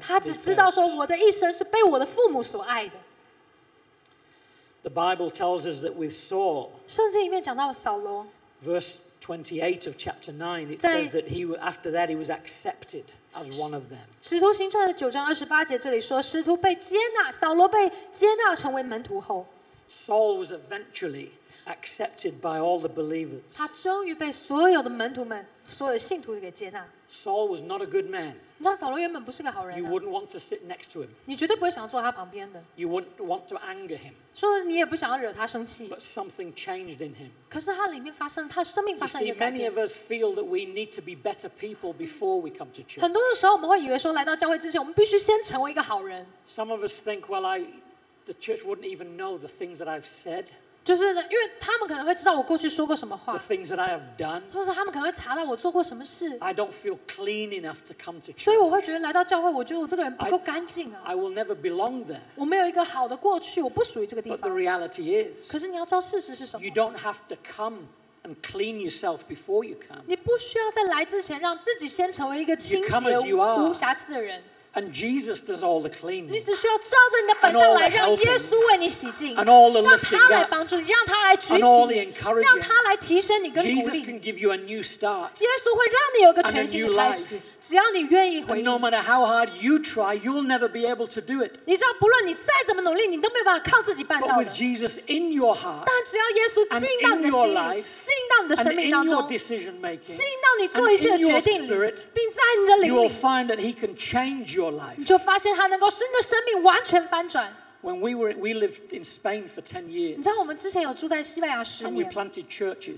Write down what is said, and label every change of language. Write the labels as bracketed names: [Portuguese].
[Chinese] 他只知道说，我的一生是被我的父母所爱的。 [English] The Bible tells us that with Saul, [Chinese] 圣经里面讲到扫罗 [English] verse 28 of chapter 9, it says that he after that he was accepted as one of them. [Chinese] 使徒行传的九章二十八节这里说，使徒被接纳，扫罗被接纳成为门徒后。 [English] Saul was eventually accepted by all the believers. [Chinese] 他终于被所有的门徒们、所有信徒给接纳。 [English] Saul was not a good man. [Chinese] 你知道扫罗原本不是个好人。 [English] You wouldn't want to sit next to him. [Chinese] 你绝对不会想要坐他旁边的。 [English] You wouldn't want to anger him. [Chinese] 说你也不想要惹他生气。 [English] But something changed in him. [Chinese] 可是他里面发生，他生命发生一个改变。 [English] You see, many of us feel that we need to be better people before we come to church. [Chinese] 很多的时候，我们会以为说，来到教会之前，我们必须先成为一个好人。 [English] Some of us think, well, The church wouldn't even know the things that I've said. [Chinese] 就是因为他们可能会知道我过去说过什么话。 [English] The things that I have done. [Chinese] 或者他们可能会查到我做过什么事。 [English] I don't feel clean enough to come to church. [Chinese] 所以我会觉得来到教会，我觉得我这个人不够干净啊。 [English] I will never belong there. [Chinese] 我没有一个好的过去，我不属于这个地方。 [English] But the reality is. [Chinese] 可是你要知道事实是什么。 [English] You don't have to come. And clean yourself before you come. [Chinese] 你不需要在来之前让自己先成为一个清洁无瑕疵的人。 [English] And Jesus does all the cleaning. [Chinese] 你只需要照着你的本相来，让耶稣为你洗净。 [English] And all the lifting up. [Chinese] 让他来帮助你，让他来举起你。 [English] And all the encouraging. [Chinese] 让他来提升你跟鼓励。 [English] Jesus can give you a new start. [Chinese] 耶稣会让你有个全新的开始。只要你愿意回应。 [English] And no matter how hard you try, you'll never be able to do it. [Chinese] 你知道，不论你再怎么努力，你都没有办法靠自己办到的。 [English] But with Jesus in your heart. [Chinese] 但只要耶稣进到你的心里，进到你的生命当中。 [English] And in your decision making. [Chinese] 进到你做一切的决定里，并在你的灵里。 [English] You will find that He can change your life. [Chinese] 你就发现他能够使你的生命完全翻转。 [English] When we lived in Spain for 10 years. [Chinese] 你知道我们之前有住在西班牙十年。 [English] And we planted churches.